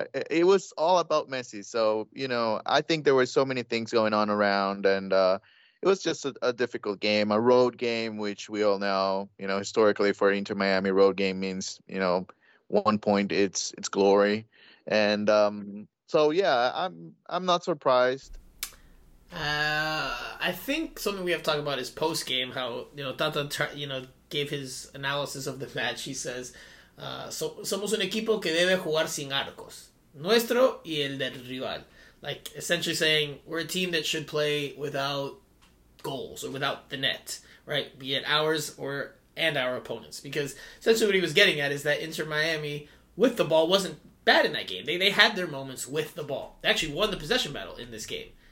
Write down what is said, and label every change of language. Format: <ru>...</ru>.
<en>It was all about Messi. So, you know, I think there were so many things going on around, and it was just a difficult game, a road game, which we all know, you know, historically for Inter Miami, road game means, you know, 1 point, it's glory. And so, yeah, I'm not surprised. I think something we have to talk about is post-game, how, you know, Tata, you know, gave his analysis of the match. He says,</en> <es>somos un equipo que debe jugar sin arcos, nuestro y el del rival.</es> <en>Like, essentially saying, we're a team that should play without goals or without the net, right? Be it ours or and our opponents. Because essentially what he was getting at is that Inter Miami, with the ball, wasn't bad in that game. They had their moments with the ball. They actually won the possession battle in this game.</en>